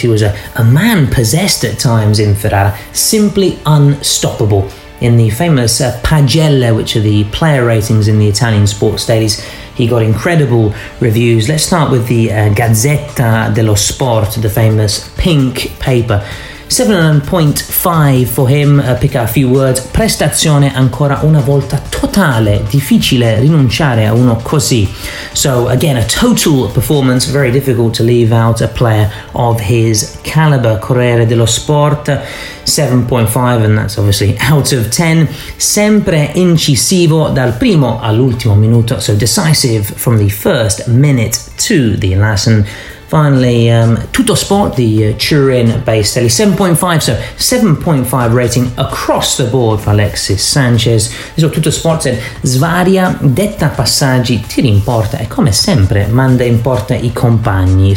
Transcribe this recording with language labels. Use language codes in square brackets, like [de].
[en] He was a man possessed at times in Ferrara, simply unstoppable. In the famous pagelle, which are the player ratings in the Italian sports dailies, he got incredible reviews. Let's start with the Gazzetta dello Sport, the famous pink paper. 7.5 for him. Pick out a few words. [it] Prestazione ancora una volta totale. Difficile rinunciare a uno così. [en] So again, a total performance. Very difficult to leave out a player of his caliber. Corriere dello Sport, 7.5, and that's obviously out of 10. [it] Sempre incisivo dal primo all'ultimo minuto. [en] So decisive from the first minute to the last. And finally, Tutto Sport, the Turin-based telly, 7.5, so 7.5 rating across the board for Alexis Sanchez. So Tutto Sport said, [it] svaria, detta passaggi, tira in porta, e come sempre, manda in porta I compagni.